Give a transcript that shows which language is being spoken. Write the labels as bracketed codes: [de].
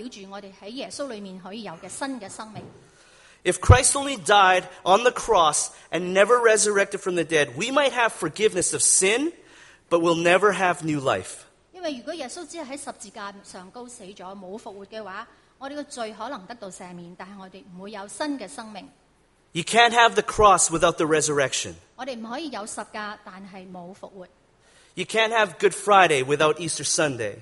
[zh] 为什么如果基督没有复活，我们的信是谎言呢？因为复活是代表着我们在耶稣里面可以有的新的生命。 [en] If Christ only died on the cross and never resurrected from the dead, we might have forgiveness of sin, but we'll never have new life. [zh] 因为如果耶稣只是在十字架上高死了，没有复活的话， 我们的罪可能得到赦免，但是我们不会有新的生命。 [en] You can't have the cross without the resurrection. [zh] 我们不可以有十架，但是没有复活。 [en] You can't have Good Friday without Easter Sunday.